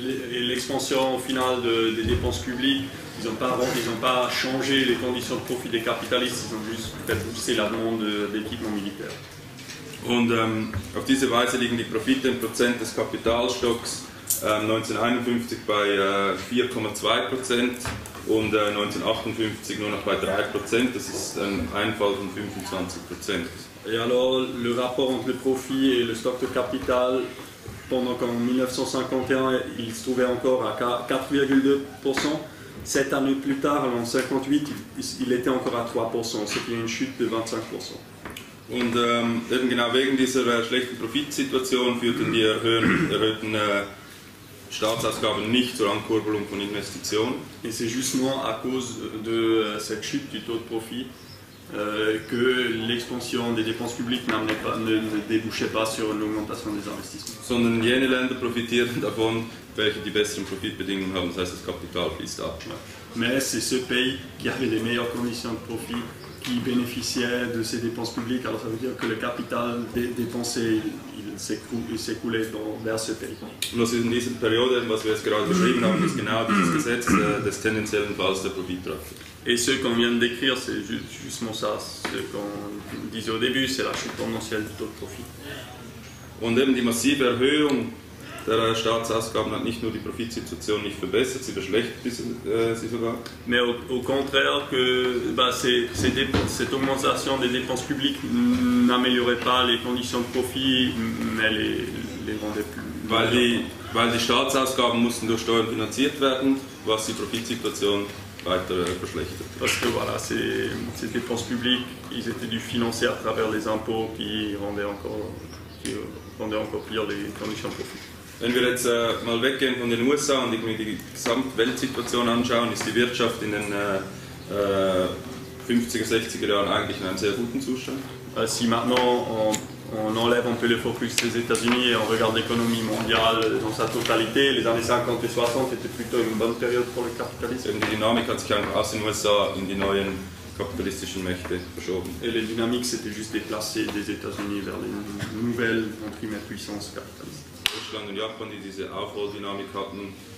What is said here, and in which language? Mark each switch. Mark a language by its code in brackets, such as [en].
[fr] L'expansion au final des dépenses publiques, ils ont pas changé les conditions de profit des capitalistes, ils ont juste poussé la demande d'équipements militaires. [de] Und auf diese Weise liegen die Profite im Prozent des Kapitalstocks 1951 bei 4,2%. Und 1958 nur noch bei 3%, das ist ein Einfall von 25%. [fr] Et alors, le rapport entre le profit et le stock de capital, pendant qu'en 1951, il se trouvait encore à 4,2%, 7 années plus tard, en 1958, il était encore à 3%, ce qui est une chute de 25%. [de] Und eben genau wegen dieser schlechten Profitsituation führten die erhöhten Staatsausgaben nicht zur Ankurbelung von Investitionen. [fr] Et c'est justement à cause de cette chute du taux de profit que l'expansion des dépenses publiques n'amenait pas, ne débouchait pas sur une augmentation des investissements. [de] Sondern jene Länder profitieren davon, welche die besseren Profitbedingungen haben, das heißt, das Kapital fließt ab. [fr] Mais c'est ce pays qui avait les meilleures conditions de profit qui bénéficiait de ces dépenses publiques, alors ça veut dire que le capital dépensé s'écoulait vers ce pays. [de] Was in dieser Periode, was wir jetzt gerade beschrieben haben, ist genau dieses Gesetz des tendenziellen Falls der Profitrate. [fr] Et ce qu'on vient de décrire, c'est justement ça, ce qu'on disait au début, c'est la chute tendancielle du taux de profit. [de] Und eben die massive Erhöhung der Staatsausgaben hat nicht nur die Profitsituation nicht verbessert, sie verschlechtert sie sogar. [fr] Mais au contraire, que cette augmentation des dépenses publiques n'améliorait pas les conditions de profit, mais les rendait plus. [de] Weil die Staatsausgaben mussten durch Steuern finanziert werden, was die Profitsituation weiter verschlechtert. [fr] Parce que voilà, ces dépenses publiques, ils étaient dû financer à travers les impôts qui rendaient encore pire les conditions de profit. [de] Wenn wir jetzt mal weggehen von den USA und irgendwie die Gesamtweltsituation anschauen, ist die Wirtschaft in den 50er, 60er Jahren eigentlich in einem sehr guten Zustand. [fr] Si maintenant on enlève un peu le focus des États-Unis et on regarde l'économie mondiale dans sa totalité, les années 50 et 60 étaient plutôt une bonne période pour le capitalisme. [de] Die Dynamik hat sich einfach aus den USA in die neuen kapitalistischen Mächte verschoben. [fr] Et les dynamiques s'étaient juste déplacées des États-Unis vers les nouvelles entre puissances capitalistes. [de] Deutschland und Japan, die diese Aufholdynamik hatten.